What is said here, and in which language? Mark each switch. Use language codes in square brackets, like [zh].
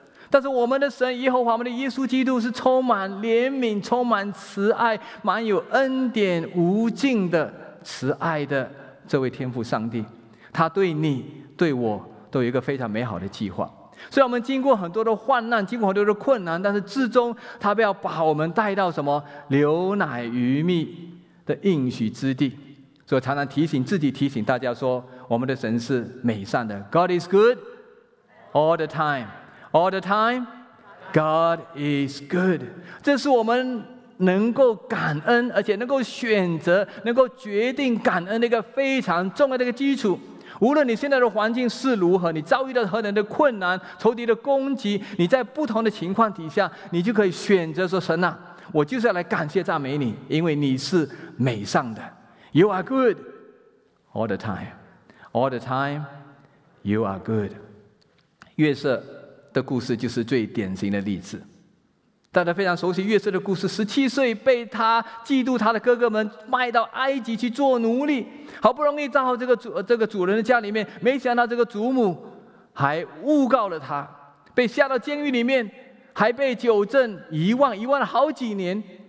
[zh] 但是我们的神耶和华，我们的耶稣基督是充满怜悯，充满慈爱，满有恩典无尽的慈爱的这位天父上帝，他对你对我都有一个非常美好的计划。所以我们经过很多的患难，经过很多的困难，但是至终他不要把我们带到什么牛奶鱼蜜的应许之地。所以常常提醒自己，提醒大家说，我们的神是美善的。 [en] God is good all the time, all the time God is good。 [zh] 这是我们能够感恩，而且能够选择，能够决定感恩的一个非常重要的一个基础。无论你现在的环境是如何，你遭遇到何等的困难，仇敌的攻击，你在不同的情况底下，你就可以选择说，神啊，我就是要来感谢赞美你，因为你是美善的。 [en] You are good all the time, all the time you are good。 [zh] 约瑟的故事就是最典型的例子，大家非常熟悉约瑟的故事。 17岁被他嫉妒他的哥哥们卖到埃及去做奴隶，好不容易到这个主人的家里面，没想到这个祖母还诬告了他，被下到监狱里面，还被酒镇遗忘了好几年。